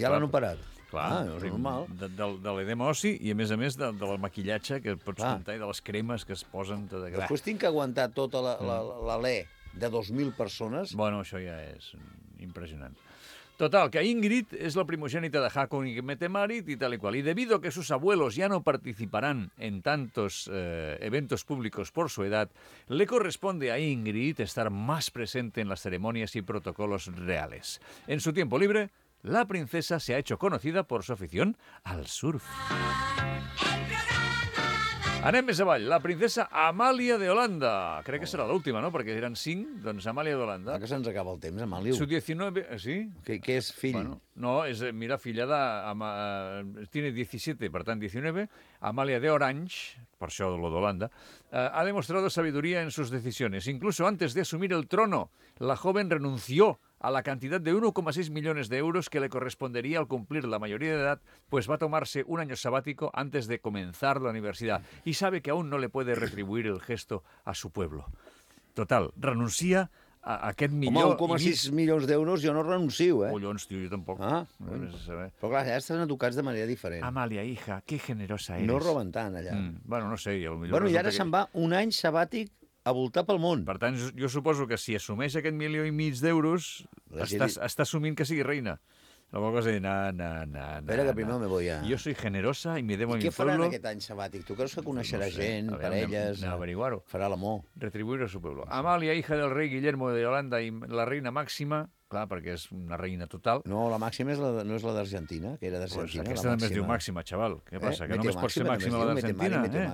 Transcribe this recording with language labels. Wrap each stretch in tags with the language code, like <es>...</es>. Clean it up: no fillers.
<ca>ja l'han operat. Clar, és normal. De l'edema oci i, a més, de la maquillatge que pots comptar i de les cremes que es posen... Tot de... Després tinc que aguantar tota l'alè de 2.000 persones. Bueno, això ja és impressionant.</ca> <es>Total, que Ingrid es la primogénita de Hakon y Metemarit y tal y cual. Y debido a que sus abuelos ya no participarán en tantos eventos públicos por su edad, le corresponde a Ingrid estar más presente en las ceremonias y protocolos reales. En su tiempo libre, la princesa se ha hecho conocida por su afición al surf.</es> <ca>Anem més avall. La princesa Amàlia de Holanda. Crec que serà l'última, no? Perquè eren 5, doncs Amàlia de Holanda. Ah, que se'ns acaba el temps, Amàlia.</ca> <es>Su 19... Sí?</es> <ca>Què és fill? Bueno, no, és, mira, filla de...</ca> <es>Tiene 17,</es> <ca>per tant, 19.</ca> <es>Amàlia de Orange,</es> <ca>per això lo de Holanda,</ca> <es>ha demostrado sabiduría en sus decisiones. Incluso antes de asumir el trono, la joven renunció a la cantidad de 1,6 millones de euros que le correspondería al cumplir la mayoría de edad, pues va a tomarse un año sabático antes de comenzar la universidad. Y sabe que aún no le puede retribuir el gesto a su pueblo.</es> <ca>Total, renuncia a aquest milió... Home, 1,6 mig... milions d'euros jo no renuncio, eh? Collons, tio, jo tampoc. Ah, no saber. Però clar, allà estan educats de manera diferent.</ca> <es>Amàlia, hija, que generosa eres.</es> <ca>No roben tant, allà. Bueno, no sé, i potser... Bueno, i ara se'n va un any sabàtic a voltar pel món. Per tant, jo suposo que si assumeix aquest milió i mig d'euros, està assumint que sigui reina. La qual cosa és dir, no. Espera, que primer</ca> <es>me voy a... Jo soy generosa i me debo a mi</es> <ca>pueblo. I què faran aquest any sabàtic? Tu creus que coneixerà gent, parelles... No, averiguar-ho. Farà l'amor.</ca> <es>Retribuir a su pueblo.</es> <ca>Amàlia, hija del rei Guillermo de Holanda i la reina Màxima, clar, perquè és una reina total... No, la Màxima no és la d'Argentina, que era d'Argentina. Pues aquesta també es diu Màxima, xaval. Què passa? Que només pot ser Màxima la d'Argentina, eh?</ca>